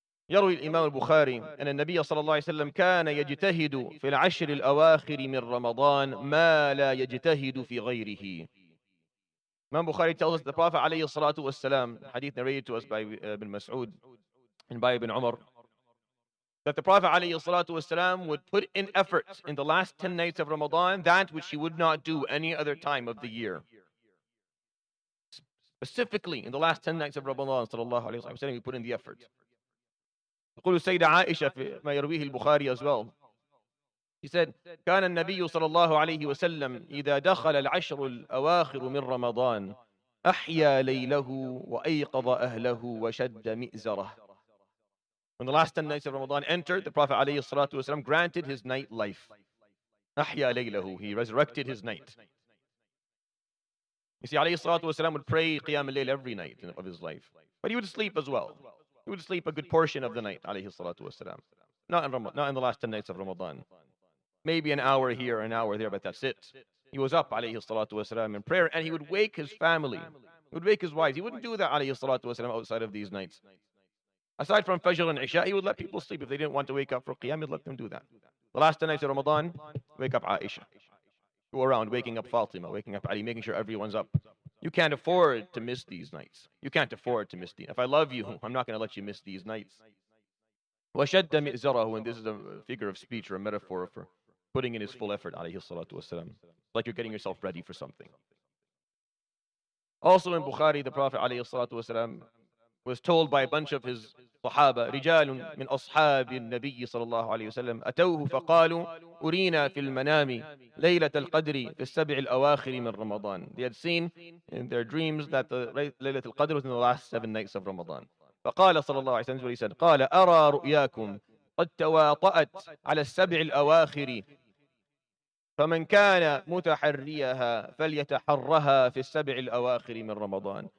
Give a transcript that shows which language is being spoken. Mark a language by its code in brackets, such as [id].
[ar] يروي الإمام البخاري أن النبي صلى الله عليه وسلم كان يجتهد في العشر الأواخر من رمضان ما لا يجتهد في غيره. [en] Imam Bukhari tells us the Prophet [ar] عليه الصلاة والسلام, [en] hadith narrated to us by Ibn Mas'ud and by Ibn Umar, that the Prophet عليه الصلاة والسلام would put in effort in the last 10 nights of Ramadan that which he would not do any other time of the year. Specifically in the last 10 nights of Ramadan, [ar] صلى الله عليه وسلم, [en] he put in the effort. [ar] تقول السيدة عائشة فيما يرويه البخاري [en] as well. He said, [ar] كان النبي صلى الله عليه وسلم إذا دخل العشر الأواخر من رمضان أحيا ليله وأيقظ أهله وشد مئزره. [en] When the last 10 nights of Ramadan entered, the Prophet عليه الصلاة والسلام granted his night life. [ar] أحيا ليله, [en] he resurrected his night. You see, [ar] عليه الصلاة والسلام [en] would pray [ar] قيام الليل [en] every night of his life. But he would sleep as well. He would sleep a good portion of the night, alayhi salatu wasalam. Not in the last 10 nights of Ramadan. Maybe an hour here, an hour there, but that's it. He was up, alayhi salatu wasalam, in prayer, and he would wake his family. He would wake his wives. He wouldn't do that, alayhi salatu wasalam, outside of these nights. Aside from Fajr and Isha, he would let people sleep. If they didn't want to wake up for Qiyam, he'd let them do that. The last 10 nights of Ramadan, wake up Aisha. Go around, waking up Fatima, waking up Ali, making sure everyone's up. You can't afford to miss these nights. You can't afford to miss these. If I love you, I'm not going to let you miss these nights. [ar] وَشَدَّ مِئْزَرَهُ, [en] and this is a figure of speech or a metaphor for putting in his full effort, alayhi salatu wasalam. Like you're getting yourself ready for something. Also in Bukhari, the Prophet, alayhi salatu wasalam, was told by a bunch of his sahaba, [ar] رِجَالٌ مِنْ أَصْحَابِ النَّبِيِّ صَلَى اللَّهُ عَلَيْهِ وَسَلَّمَ أَتَوْهُ فَقَالُوا أُرِينَا فِي الْمَنَامِ لَيْلَةَ الْقَدْرِ فِي السَّبْعِ الْأَوَاخِرِ مِنْ رَمَضَانِ. [en] They had seen in their dreams that the Laylatul Qadr was in the last 7 nights of Ramadan. [ar] فَقَالَ صَلَى اللَّهُ عَلَيْهِ وَسَلَّمَ, [en] he said, [ar] قَالَ أَرَى رُؤْيَاكُمْ قَدْ تَوَاطَأَتْ عَلَى السَّبْعِ الْأَوَاخِرِ فَمَنْ كَانَ مُتَحَرِّيَهَا فَلْيَتَحَرَّهَا فِي السَّبْعِ الْأَوَاخِرِ مِنْ رَمَضَانِ.